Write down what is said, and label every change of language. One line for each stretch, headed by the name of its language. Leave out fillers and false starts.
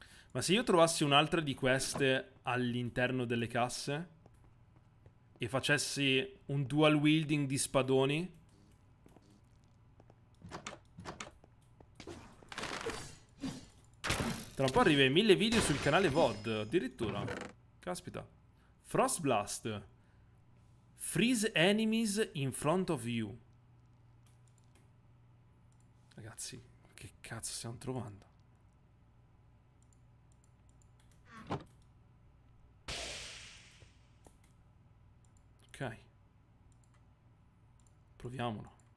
Italian: Ma se io trovassi un'altra di queste all'interno delle casse e facessi un dual wielding di spadoni, tra un po' arriva ai 1000 video sul canale VOD, addirittura. Caspita. Frost Blast.
English: Freeze enemies in front of you.
Italian: Ragazzi, che cazzo stiamo trovando? Proviamolo.